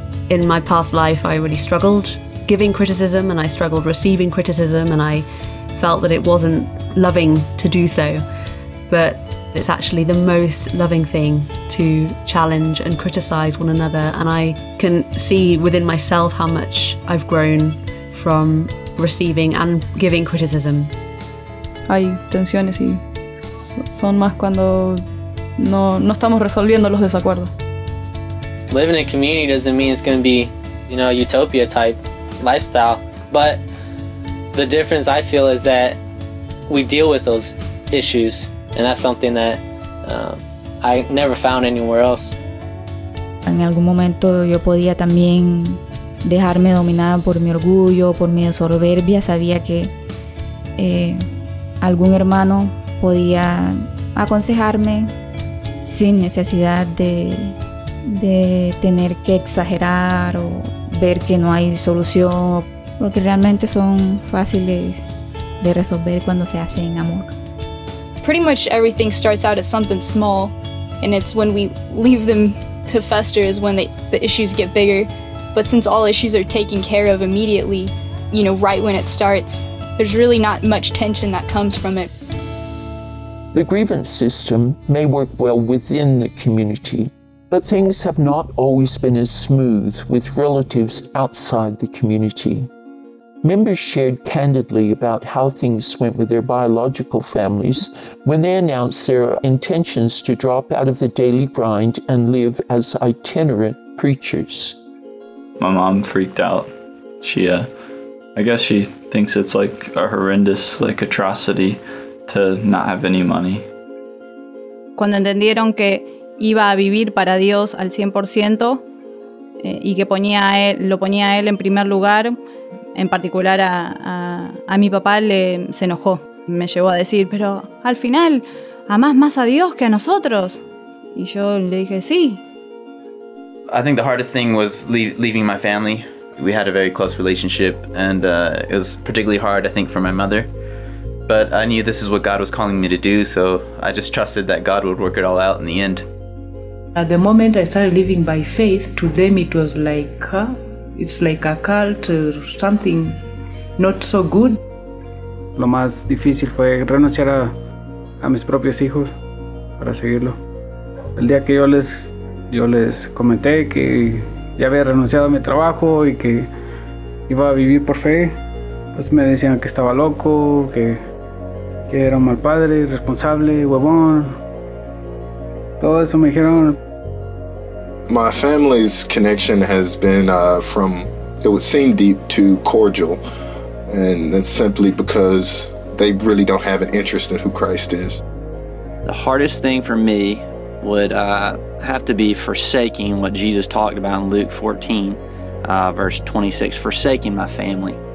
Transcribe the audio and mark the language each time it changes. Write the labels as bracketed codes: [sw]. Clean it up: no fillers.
[en] In my past life, I really struggled giving criticism and I struggled receiving criticism, and I felt that it wasn't loving to do so. But it's actually the most loving thing to challenge and criticize one another. And I can see within myself how much I've grown from receiving and giving criticism. [es] hay tensiones y son más cuando no estamos resolviendo los desacuerdos. [en] Living in a community doesn't mean it's going to be, you know, utopia type lifestyle, but the difference I feel is that we deal with those issues, and that's something that I never found anywhere else. [es] En algún momento yo podía también dejarme dominada por mi orgullo, por mi soberbia. Sabía que algún hermano podía aconsejarme sin necesidad de tener que exagerar o ver que no hay solución, porque realmente son fáciles de resolver cuando se hace en amor. [en] Pretty much everything starts out as something small, and it's when we leave them to fester is when the issues get bigger. But since all issues are taken care of immediately, you know, right when it starts, there's really not much tension that comes from it. The grievance system may work well within the community, but things have not always been as smooth with relatives outside the community. Members shared candidly about how things went with their biological families when they announced their intentions to drop out of the daily grind and live as itinerant preachers. My mom freaked out. She, I guess she thinks it's like a horrendous, like, atrocity to not have any money. [es] Cuando entendieron que iba a vivir para Dios al 100% y que lo ponía a él en primer lugar, en particular a mi papá, se enojó. Me llevó a decir, pero al final, amás más a Dios que a nosotros. Y yo le dije, sí. [en] I think the hardest thing was leaving my family. We had a very close relationship, and it was particularly hard, I think, for my mother. But I knew this is what God was calling me to do, so I just trusted that God would work it all out in the end. At the moment I started living by faith, to them it was like, it's like a cult or something not so good. [es] Lo más difícil fue renunciar a mis propios hijos para seguirlo. El día que yo les comenté que ya había renunciado a mi trabajo y que iba a vivir por fe, pues me decían que estaba loco, que era un mal padre, irresponsable, huevón. Todo eso me dijeron. [en] My family's connection has been from, it would seem deep, to cordial, and that's simply because they really don't have an interest in who Christ is. The hardest thing for me would have to be forsaking what Jesus talked about in Luke 14, verse 26, forsaking my family.